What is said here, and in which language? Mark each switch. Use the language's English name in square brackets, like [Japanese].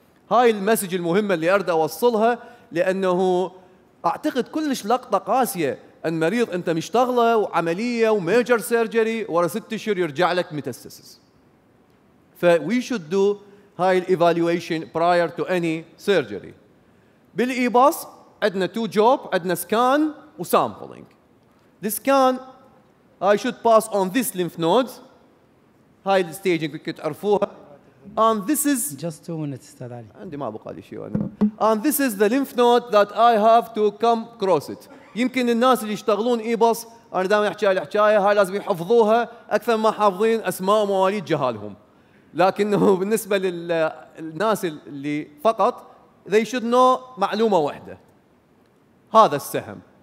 [Arabic] هاي المسج المهمة اللي أرد أوصلها لأنه أعتقد كلش لقطة قاسية أن مريض أنت مشتغلة وعملية وميجر سيرجري ورا ست أشهر يرجع لك metastasis ف we should do هاي الإيفاليويشن prior to any surgery بالإيبوس عندنا تو جوب عندنا سكان وسامبلينج [English] This scan, I should pass on this lymph nodes. [Arabic] هاي الستيجنج كنت عرفوها. [English] And this is... Just 2 minutes, استاذ علي. [Arabic] عندي ما بقى لي شيء. [English] And this is the lymph node that I have to come cross it. [Arabic] يمكن الناس اللي يشتغلون إيبوس, أنا دائما أحكي على الحكاية, هاي لازم يحفظوها أكثر ما حافظين أسماء مواليد جهالهم. لكنه بالنسبة للناس اللي فقط, [English] they should know [Arabic] معلومة واحدة. هذا السهم.